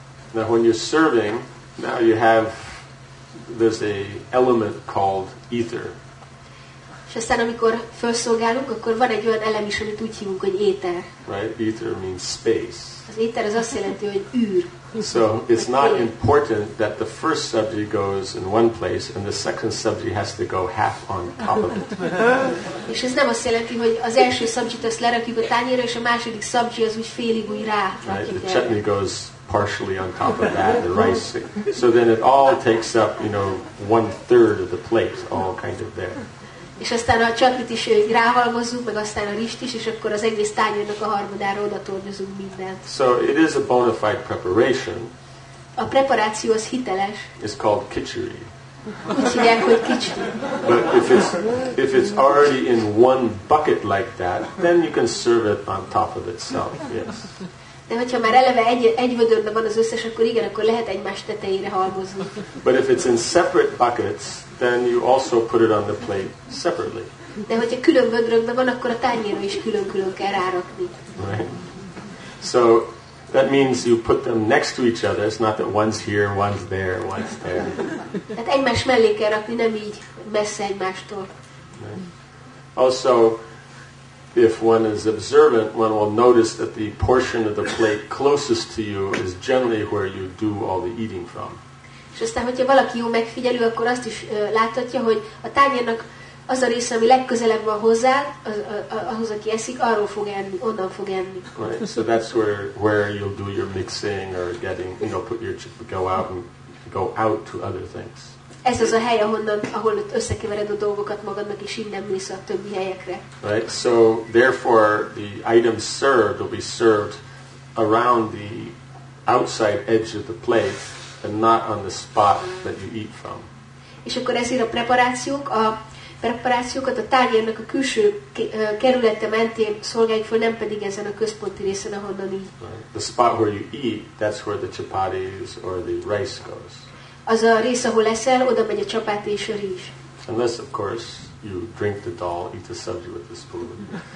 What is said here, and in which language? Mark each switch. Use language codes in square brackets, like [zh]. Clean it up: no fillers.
[en] Now when you're serving, now you have, there's a element called ether. [hu] És aztán, amikor felszolgálunk, akkor van egy olyan elem is, amit úgy hívunk, hogy éter. [en] Right? Ether means space. [hu] Az éter az azt jelenti, hogy űr. [en] So it's not important that the first subject goes in one place and the second subject has to go half on top of it. [hu] És ez nem azt jelenti, hogy az első subject azt lerakjuk a tányérra, és a második subject az úgy félig úgy rá. [en] Right? The chutney goes partially on top of that, the rice. So then it all takes up, you know, one third of the plate, all kind of there. [hu] És aztán a csatlit is ráhalmozzuk, meg aztán a rizst is, és akkor az egész tányérnak a harmadára oda tornyozunk mindent. [en] So it is a bona fide preparation. [hu] A preparáció az hiteles. [en] It's called kichuri. [hu] Úgy hívják, hogy kichuri. [en] But if it's already in one bucket like that, then you can serve it on top of itself, yes. [hu] De hogyha már eleve egy vödörben van az összes, akkor igen, akkor lehet egymás tetejére halmozni. [en] But if it's in separate buckets, then you also put it on the plate separately. [hu] De hogyha külön vödrökben van, akkor a tányérra is külön-külön kell rárakni. [en] Right. So that means you put them next to each other. It's not that one's here, one's there, one's there. [hu] Hát egymás mellé kell rakni, nem így messze egymástól. [en] Right. Also, if one is observant, one will notice that the portion of the plate closest to you is generally where you do all the eating from. [hu] És aztán, hogyha valaki jó megfigyelő, akkor azt is láthatja, hogy a tányérnak az a része, ami legközelebb van hozzá, ahhoz, aki eszik, arról fog enni, onnan fog enni. [en] Right. So that's where you'll do your mixing or getting, you know, put your chip, go out to other things. [hu] Ez az a hely, ahol összekevered a dolgokat magadnak, és innen mész a többi helyekre. [en] Right. So therefore, the items served will be served around the outside edge of the plate, and not on the spot that you eat from. [hu] És akkor ezért a preparációk a preparációkat a tárgyának a külső kerülete mentén szolgáljuk föl, nem pedig ezen a központi részen, ahonnan így. [en] The spot where you eat, that's where the chapatis or the rice goes. [hu] Az a rész, ahol eszel, oda megy a csapáti és a rizs. [en] Unless, of course, you drink the dal, eat the subject with the spoon.